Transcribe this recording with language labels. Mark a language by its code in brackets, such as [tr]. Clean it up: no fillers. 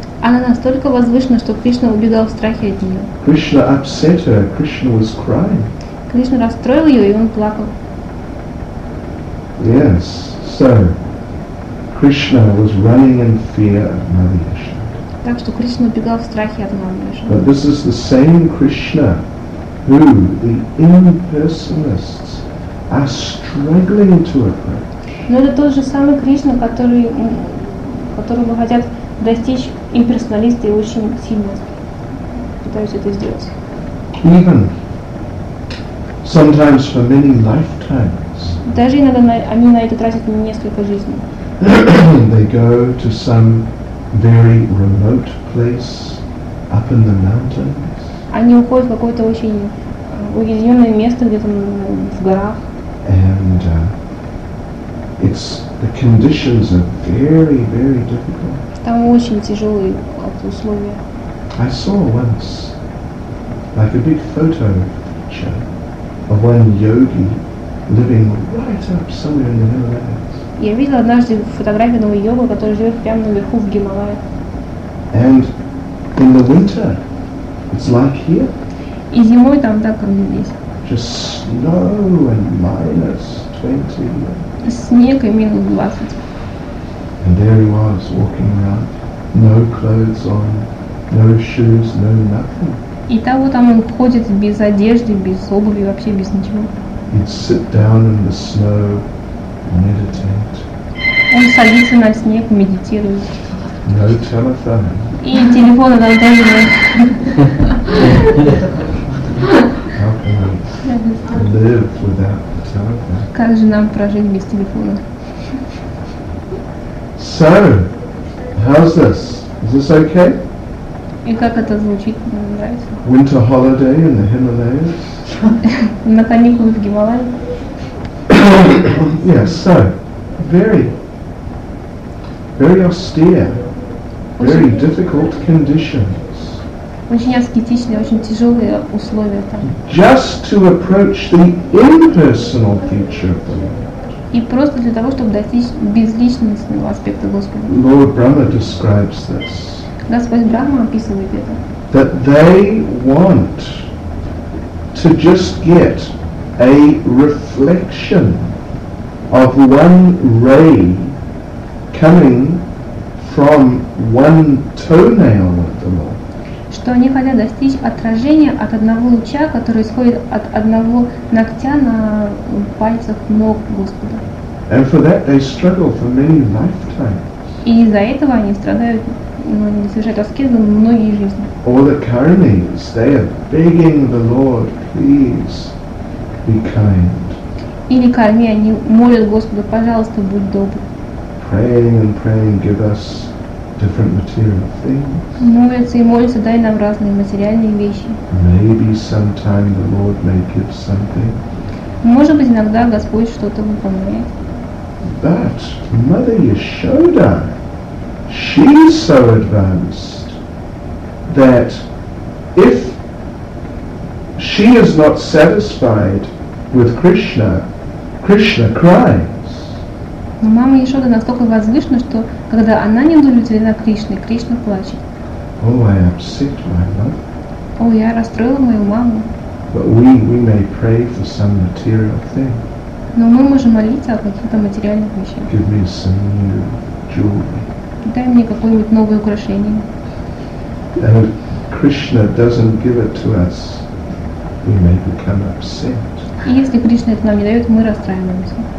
[ru] Она настолько возвышена, что Кришна убегал в страхе от нее. [en] Krishna upset her. Krishna was crying. [ru] Кришна расстроил ее, и он плакал. [en] Yes, so Krishna was running in fear of Mother Yashoda. [ru] Так что Кришна убегал в страхе от Мамы Яшоды. [en] But this is the same Krishna who the impersonalists are struggling to approach. [ru] Но это тот же самый Кришна, которого хотят достичь имперсоналисты и очень сильно пытаются это сделать. [en] Even sometimes for many lifetimes. [ru] Даже иногда они на это тратят несколько жизней. [en] They go to some very remote place up in the mountains. [ru] Они уходят в какое-то очень уединенное место где-то в горах. [en] And it's the conditions are very, very difficult. [ru] Там очень тяжелые условия. [en] I saw once like a big photo picture of one yogi living right up somewhere in the Himalayas. [ru] Я видела однажды фотографию одного йога, который живет прямо наверху в Гималаях. [en] And in the winter, it's like here. [ru] И зимой там так, как здесь. [en] Just snow and minus 20. [ru] Снег и минус 20. [en] And there he was walking around, no clothes on, no shoes, no nothing. [ru] И того там он ходит без одежды, без обуви, вообще без ничего. [en] He'd sit down in the snow, meditate. [ru] Он садится на снег, медитирует. [en] No telephone. [ru] И телефона там тоже нет. [en] How can we live without the telephone? [ru] Как же нам прожить без телефона? [en] So, how's this? Is this okay? [ru] И как это звучит? Мне нравится. [en] Winter holiday in the Himalayas. [ru] На каникулы в Гималаях. [en] Yes, so very, very austere, very difficult conditions. [ru] Очень аскетичные, очень тяжелые условия там. [en] Just to approach the impersonal future of the Lord. [ru] И просто для того, чтобы достичь безличностного аспекта Господа. [en] Lord Brahma describes this. [ru] Господь Брахма описывает это. [en] That they want to just get a reflection of one ray coming from one toenail of the Lord. [ru] Что они хотят достичь отражения от одного луча, который исходит от одного ногтя на пальцах ног Господа. [en] And for that they struggle for many lifetimes. [ru] И из-за этого они страдают, они совершают аскезу многие жизни. [en] All the karmis, they are begging the Lord, please be kind. [ru] Или карми, они молят Господа, пожалуйста, будь добр. [en] Praying and praying, give us different material things. [ru] Молятся и молятся, дай нам разные материальные вещи. [en] Maybe sometime the Lord may give something. [ru] Может быть, иногда Господь что-то выполняет. [en] But Mother Yashoda, she's so advanced that if she is not satisfied with Krishna, Krishna cries. [ru] Но мама Яшода настолько возвышена, что когда она не удовлетворена Кришной, Кришна плачет. [en] Oh, I upset my mother. [ru] О, я расстроила мою маму. [en] But we may pray for some material thing. [ru] Но мы можем молиться о каких-то материальных вещах. [en] Give me some new jewelry. [ru] Дай мне какое-нибудь новое украшение. [en] And if Krishna doesn't give it to us, we may become upset. [ru] И если Кришна это нам не дает, мы расстраиваемся.